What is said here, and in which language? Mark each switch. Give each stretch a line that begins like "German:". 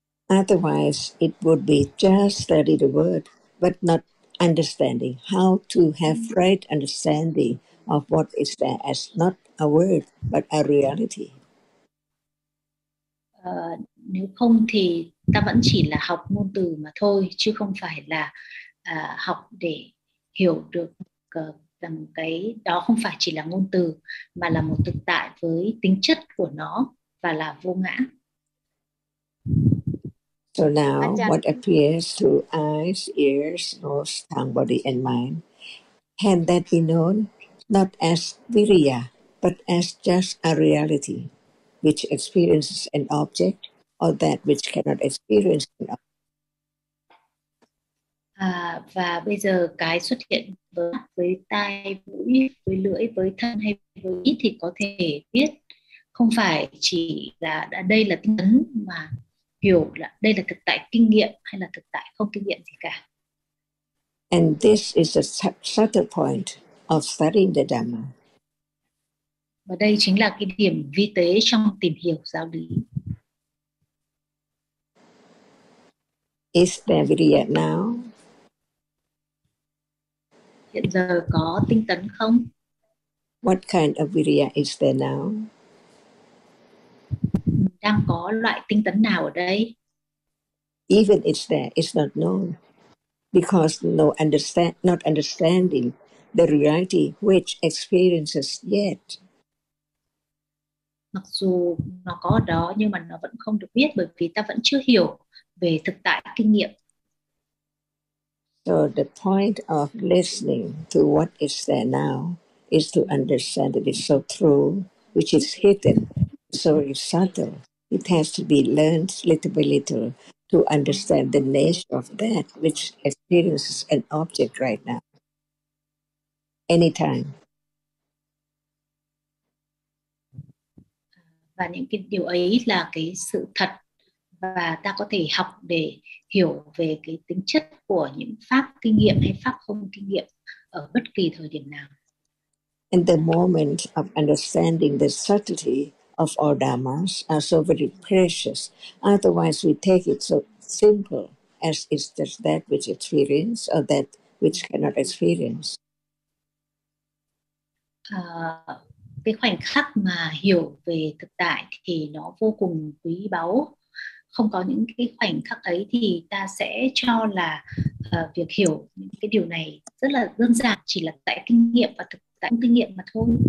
English: Otherwise it would be just study the word but not understanding how to have right understanding of what is there as not a word but a reality.
Vietnamese: Nếu không thì ta vẫn chỉ là học ngôn từ mà thôi chứ không phải là học để hiểu được rằng cái đó không phải chỉ là ngôn từ mà là một thực tại với tính chất của nó và là vô ngã.
English: So now what appears to eyes, ears, nose, tongue, body and mind can that be known not as viriya but as just a reality which experiences an object or that which cannot experience an object?
Vietnamese: Và bây giờ cái xuất hiện với mắt, với tai, mũi, với lưỡi, với thân hay với ý thì có thể biết không phải chỉ là đây là tinh tấn mà hiểu là đây là thực tại kinh nghiệm hay là thực tại không kinh nghiệm gì cả.
English: And this is a subtle point of studying the Dhamma.
Vietnamese: Và đây chính là cái điểm vi tế trong tìm hiểu giáo lý.
English: Is there virya now?
Vietnamese: Hiện giờ có tinh tấn không?
English: What kind of virya is there now?
Vietnamese: Đang có loại tinh tấn nào ở đây?
English: Even it's there, it's not known. Because no not understanding the reality which experiences yet.
Vietnamese: Mặc dù nó có ở đó nhưng mà nó vẫn không được biết bởi vì ta vẫn chưa hiểu về thực tại kinh nghiệm.
English: So the point of listening to what is there now is to understand that it's so true, which is hidden, so subtle. It has to be learned little by little to understand the nature of that which experiences an object right now. Anytime.
Vietnamese: Và những cái điều ấy là cái sự thật và ta có thể học để hiểu về cái tính chất của những pháp kinh nghiệm hay pháp không kinh nghiệm ở bất kỳ thời điểm nào.
English: And the moment of understanding the subtlety of all dharmas are so very precious. Otherwise, we take it so simple as is just that which experience or that which cannot experience.
Vietnamese: Cái khoảnh khắc mà hiểu về thực tại thì nó vô cùng quý báu. Không có những cái khoảnh khắc ấy thì ta sẽ cho là việc hiểu những cái điều này rất là đơn giản, chỉ là tại kinh nghiệm và thực tại kinh nghiệm mà thôi.